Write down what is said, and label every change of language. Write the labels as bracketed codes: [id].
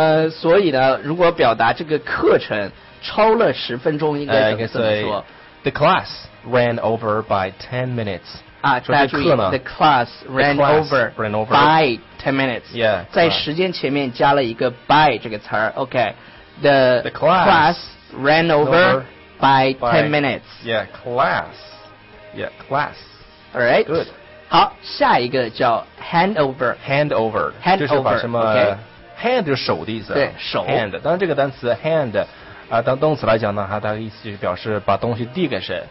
[zh] 所以呢，如果表达这个课程超了十分钟，应该怎么说？ [en] The class ran over by 10 minutes. [zh] 啊，大家注意 [en] the class ran over by 10 minutes. Yeah, [zh] 在时间前面加了一个 by 这个词儿。 [en] OK. The class ran over by 10 minutes. Yeah, class. Yeah, class. All right. Good. [zh] 好，下一个叫 handover. [en] Handover. Handover. [zh] 就是把什么、hand 就是手的意思。对，手。 [en] Hand. [zh] 当然这个单词 hand 啊、当动词来讲呢，它的意思就是表示把东西递给谁。